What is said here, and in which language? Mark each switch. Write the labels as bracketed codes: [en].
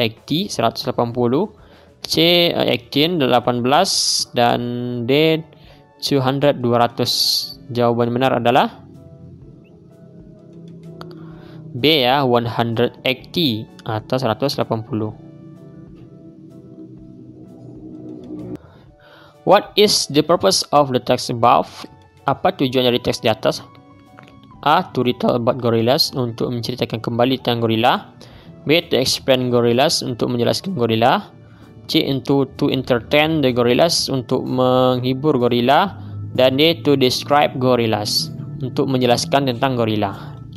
[id] C 18, 18. Dan D 200. Jawaban benar adalah B ya, 180 atau 180. [en] What is the purpose of the text above? [id] Apa tujuan dari teks di atas? [en] A. To retell about gorillas, [id] untuk menceritakan kembali tentang gorila. [en] B. To explain gorillas, [id] untuk menjelaskan gorila. [en] C. To entertain the gorillas, [id] untuk menghibur gorila. Dan D. [en] To describe gorillas, [id] untuk menjelaskan tentang gorila.